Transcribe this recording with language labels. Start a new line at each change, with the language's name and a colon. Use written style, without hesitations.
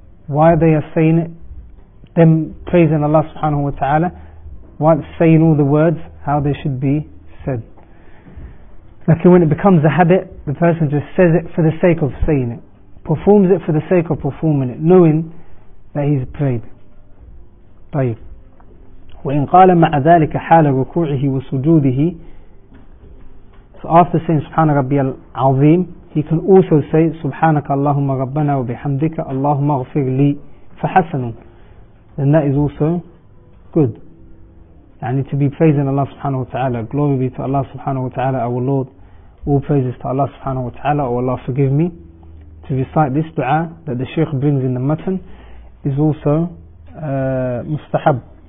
English: why they are saying it, them praising Allah subhanahu wa ta'ala while saying all the words how they should be said. Like when it becomes a habit, the person just says it for the sake of saying it, performs it for the sake of performing it, knowing that he's prayed.
Arabic: طيب. وإن قال مع ذلك حال ركوعه وسجوده.
English: So after saying
Arabic: سبحانه ربي العظيم,
English: he can also say
Arabic: سبحانك اللهم ربنا وبحمدك اللهم اغفر لي فحسن.
English: Then that is also good. يعني to be praising Allah سبحانه وتعالى. Glory be to Allah سبحانه وتعالى, our Lord. All praises to Allah subhanahu wa ta'ala. Oh Allah, forgive me. To recite this dua that the Shaykh brings in the matan is also mustahab.